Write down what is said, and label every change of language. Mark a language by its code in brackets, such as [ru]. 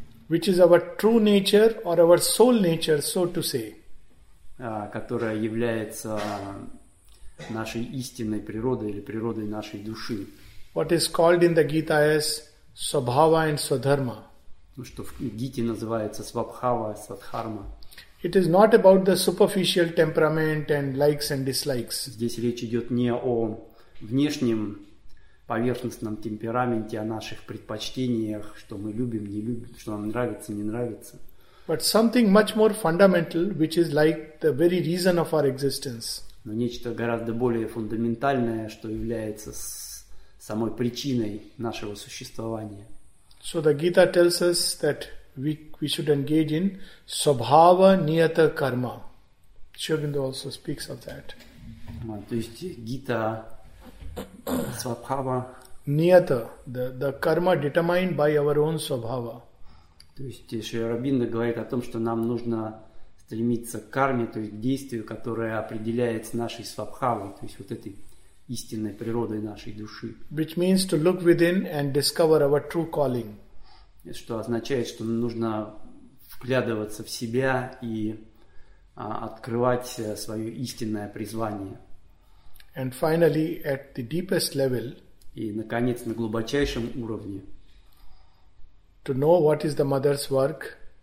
[en] Which is our true nature or our soul nature, so to say. [ru] Которая является нашей истинной природой или природой нашей души. [en] What is called in the Gita as Swabhava and Swadharma. [ru] Ну, что в Гите называется Свабхава, Свадхарма. [en] It is not about the superficial temperament and likes and dislikes. [ru] Здесь речь идет не о внешнем поверхностном темпераменте, о наших предпочтениях, что мы любим, не любим, что нам нравится, не нравится. [en] But something much more fundamental, which is like the very reason of our existence. [ru] Но нечто гораздо более фундаментальное, что является самой причиной нашего существования. [en] So the Gita tells us that we should engage in Swabhava Niyata Karma. Sri Aurobindo also speaks of that. [ru] То есть Гита Свабхава [en] Ниата, the karma determined by our own Swabhava. [ru] То есть Шри Аурабинда говорит о том, что нам нужно стремиться к карме, то есть к действию, которое определяется нашей свабхавой, то есть вот этой истинной природой нашей души. [en] Which means to look within and discover our true calling. [ru] Что означает, что нужно вглядываться в себя и открывать свое истинное призвание. [en] And finally, at the deepest level, [ru] и, наконец, на глубочайшем уровне, [en] to know what is the mother's work,